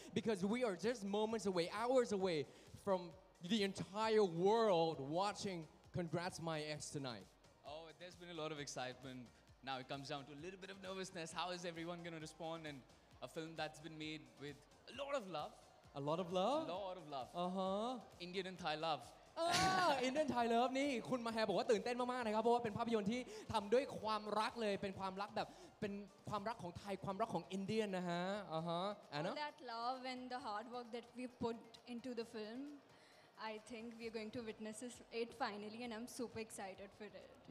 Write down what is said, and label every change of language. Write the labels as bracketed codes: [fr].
[en] Because we are just moments away, hours away from the entire world watching Congrats My Ex tonight. Oh, there's been a lot of excitement. Now it comes down to a little bit of nervousness. How is everyone going to respond? And a film that's been made with a lot of love. A lot of love? A lot of love. Uh-huh. Indian and Thai love. [th] อินเดียนไทยเลิฟนี่คุณมาแฮบอกว่าตื่นเต้นมากๆนะครับเพราะว่าเป็นภาพยนตร์ที่ทำด้วยความรักเลยเป็นความรักแบบเป็นความรักของไทยความรักของอินเดียนนะฮะอ่าฮะ [en] All that love and the hard work that we put into the film I think we're going to witness it finally and I'm super excited for it